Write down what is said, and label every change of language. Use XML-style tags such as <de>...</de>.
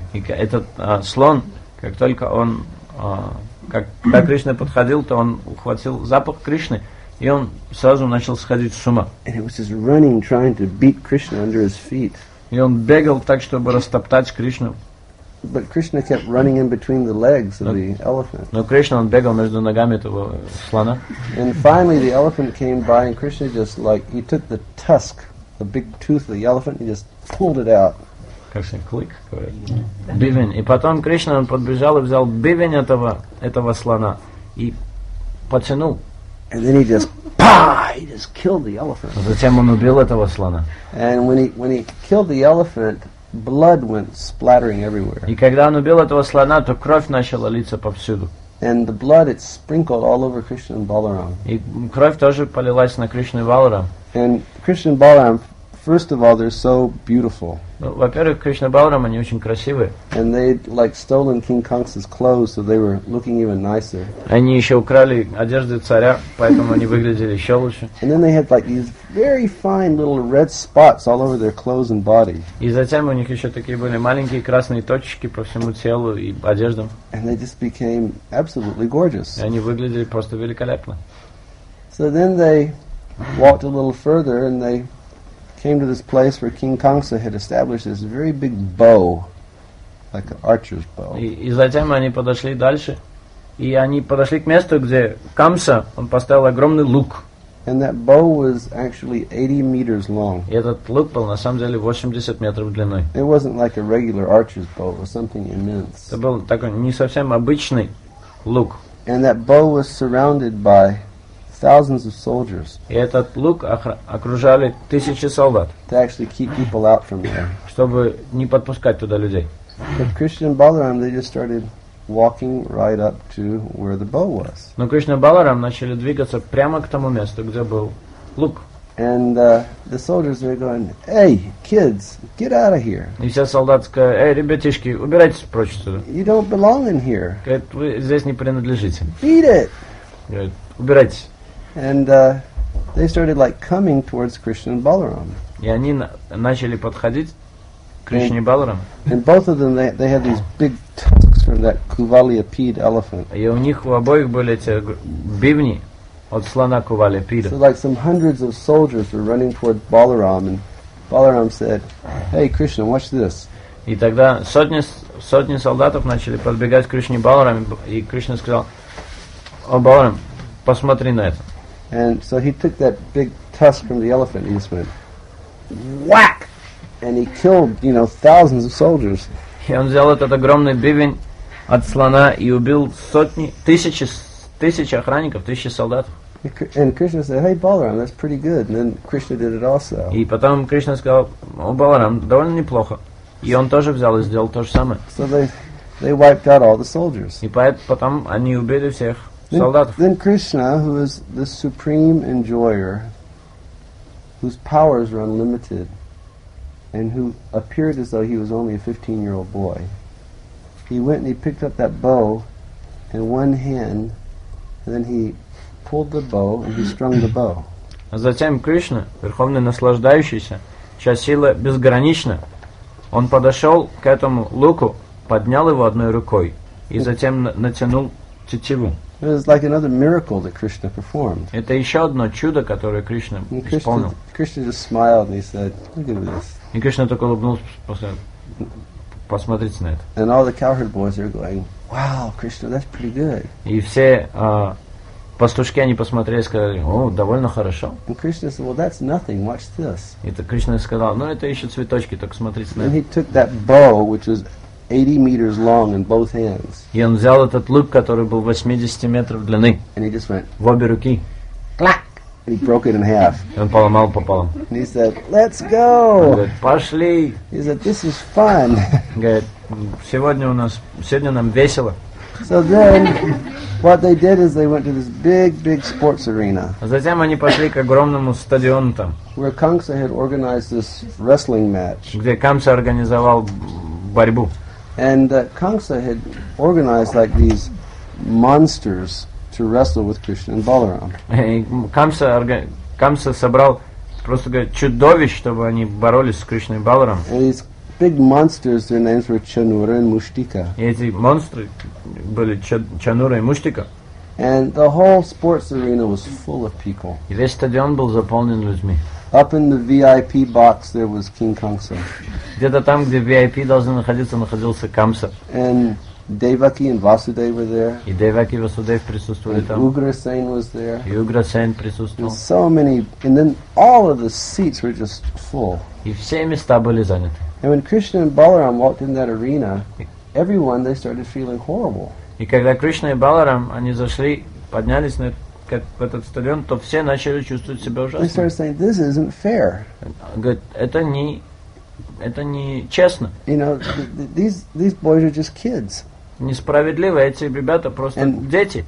<ru>И этот слон, как только он, когда Кришна подходил, то он ухватил запах Кришны, и он сразу начал сходить с ума.</ru> <en>And he was just running, trying to beat Krishna under his feet.</en> <ru>И он бегал так, чтобы растоптать Кришну.</ru> <en>But Krishna kept running in between the legs of the elephant.</en> <ru>Но Кришна, он бегал между ногами этого слона.</ru> <en>And finally the elephant came by, and Krishna just like, he took the tusk, the big tooth of the elephant, and just pulled it out.</en> <ru>Как сказать, клык, бивень. И потом Кришна, он подбежал и взял бивень этого слона и потянул.</ru> <en>And then he just, bah, he just killed the elephant.</en> <ru>Затем он убил этого слона.</ru> <en>And when he killed the elephant, blood went splattering everywhere.</en> <ru>И когда он убил этого слона, то кровь начала литься повсюду.</ru> <en>And the blood, it sprinkled all over Krishna and Balaram.</en> <ru>И кровь тоже полилась на Кришну и Баларам.</ru> <en>And Krishna and Balaram, first of all, they're so beautiful.</en> <ru>Во-первых, Кришна и Баларам, они очень красивые.</ru> <en>And they like stolen King Kanksa's clothes, so they were looking even nicer.</en> <ru>Они еще украли одежды царя, поэтому они выглядели еще лучше.</ru> <en>And then they had like these very fine little red spots all over their clothes and body.</en> <ru>И затем у них еще такие были маленькие красные точечки по всему телу и одеждам.</ru> <en>And they just became absolutely gorgeous.</en> <ru>И они выглядели просто великолепно.</ru> <en>So then they walked a little further and they came to this place where King Kanksa had established this very big bow, like an archer's bow.</en> <ru>И затем они подошли дальше, и они подошли к месту, где Камса, он поставил огромный лук.</ru> <en>And that bow was actually 80 meters long.</en> <ru>И этот лук был на самом деле 80 метров длиной.</ru> <en>It wasn't like a regular archer's bow, it was something immense.</en> <ru>Это был такой не совсем обычный лук.</ru> <en>And that bow was surrounded by thousands of soldiers.</en> <ru>И этот лук окружали тысячи солдат.</ru> <en>To actually keep people out from there.</en> <ru>Чтобы не подпускать туда людей.</ru> <en>But Krishna and Balaram, they just started walking right up to where the bow was.</en> <ru>Но Кришна и Баларам начали двигаться прямо к тому месту, где был лук.</ru> <en>And the soldiers were going, "Hey, kids, get out of here!"</en> <ru>И все солдаты сказали, "Эй, ребятишки, убирайтесь прочь отсюда!"</ru> <en>You don't belong in here.</en> <ru>Говорит, вы здесь не принадлежите.</ru> <en>Beat it!</en> <ru>Говорит, убирайтесь.</ru> <en>And they started like coming towards Krishna and Balaram.</en> <ru>И они начали подходить к Кришне и Баларам.</ru> <en>And both of them, they had these big tusks from that Kuvalyapede elephant.</en> <ru>И у них у обоих были эти бивни от слона Кувалиапида.</ru> <en>So like some hundreds of soldiers were running towards Balaram, and Balaram said, "Hey, Krishna, watch this."</en> <ru>И тогда сотни солдатов начали подбегать к Кришне и Баларам, и Кришна сказал, "О, Баларам, посмотри на это."</ru> <en>And so he took that big tusk from the elephant and he just went, whack! And he killed, you know, thousands of soldiers.</en> <ru>И он взял этот огромный бивень от слона и убил сотни, тысячи охранников, тысячи солдат.</ru> <en>And Krishna said, "Hey, Balaram, that's pretty good." And then Krishna did it also.</en> <ru>И потом Кришна сказал, "О, Баларам, довольно неплохо." И он тоже взял и сделал то же самое.</ru> <en>So they wiped out all the soldiers.</en> <ru>И потом они убили всех.</ru> <en>Then Krishna, who is the supreme enjoyer, whose powers are unlimited, and who appeared as though he was only a 15-year-old boy, he went and he picked up that bow in one hand, and then he pulled the bow and he strung the bow.</en> <ru>А затем Кришна, верховный наслаждающийся, чья сила безгранична, он подошел к этому луку, поднял его одной рукой и затем натянул тетиву.</ru> <en>It was like another miracle that Krishna performed.</en> <ru>Это еще одно чудо, которое Кришна исполнил.</ru> <en>Krishna just smiled and he said, "Look at this."</en> <ru>И Кришна только улыбнулся, посмотрите на это.</ru> <en>And all the cowherd boys are going, "Wow, Krishna, that's pretty good."</en> <ru>И все пастушки они посмотрели и сказали, "О, довольно хорошо."</ru> <en>And Krishna said, "Well, that's nothing. Watch this."</en> <ru>И Кришна сказал, "Ну это еще цветочки, только смотрите на это."</ru> <en>And he took that bow, which was 80 meters long in both hands.</en> <ru>И он взял этот лук, который был 80 метров длины.</ru> <en>And he just went,</en> <ru>в обе руки.</ru> <en>Clack! And he broke it in half.</en> <ru>И он поломал пополам.</ru> <en>And he said, "Let's go!"</en> <ru>Он говорит, пошли!</ru> <en>He said, "This is fun!"</en> <ru>Говорит, сегодня нам весело.</ru> <en>So then, what they did is they went to this big, big sports arena.</en> <ru>Затем они пошли к огромному стадиону там.</ru> <en>Where Kanksa had organized this wrestling match.</en> <ru>Где Камса организовал борьбу.</ru> <en>And Kamsa had organized like these monsters to wrestle with Krishna and Balaram.</en> <ru>Kamsa собрал просто говорит, чудовищ, чтобы они боролись с Кришной и Баларам.</ru> <en>These big monsters, their names were Chanura and Mushtika.</en> <ru>И эти монстры были Чанура и Муштика.</ru> <en>And the whole sports arena was full of people.</en> <ru>И весь стадион был заполнен людьми.</ru> <en>Up in the VIP box there was King Kamsa.</en> <ru>Где-то там, где VIP должен находиться, находился Камса.</ru> <en>And Devaki and Vasudev were there.</en> <ru>И Девяки и Васудев присутствовали там.</ru> <en>Ugrasen was there.</en> <ru>И Ugrasen присутствовал.</ru> <en>And so many, and then all of the seats were just full.</en> <ru>И все места были заняты.</ru> <en>And when Krishna and Balaram walked in that arena, everyone they started feeling horrible.</en> <ru>И когда Кришна и Баларам они зашли, поднялись в этот стадион, то все начали чувствовать себя ужасно.</ru> <en>They started saying, "This isn't fair."</en> <ru>Говорит, это не честно.</ru> <en>You know, these boys are just kids.</en> <ru>Несправедливо, эти ребята просто дети.</ru>